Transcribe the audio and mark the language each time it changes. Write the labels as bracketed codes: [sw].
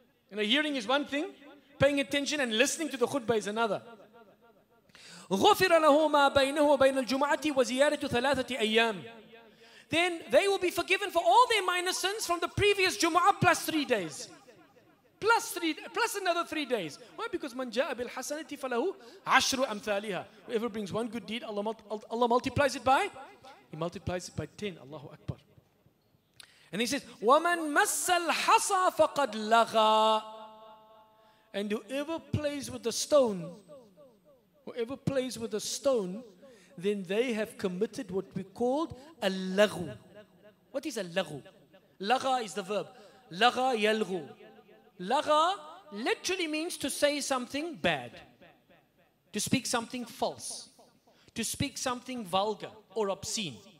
[en] You know, hearing is one thing, paying attention and listening to the khutbah is another. [ar] غُفِرَ لَهُمَا بَيْنَهُ وَبَيْنَ الْجُمْعَةِ وَزِيَارَةُ ثَلَاثَةِ أَيَّامٍ. [en] Then they will be forgiven for all their minor sins from the previous Jumu'ah plus 3 days. Plus another 3 days. Why? Because [ar] مَنْ جَاءَ بِالْحَسَنَةِ فَلَهُ عَشْرُ أَمْثَالِهَا. [en] Whoever brings one good deed, Allah multiplies it by? He multiplies it by 10. Allahu Akbar. And he says, [ar] وَمَنْ مَسَّ الْحَصَى فَقَدْ لَغَى. [en] And whoever plays with the stone, whoever plays with a stone, then they have committed what we called al-laghu. What is al-laghu? Lagha is the verb. Lagha yalghu. Lagha literally means to say something bad, to speak something false, to speak something vulgar or obscene.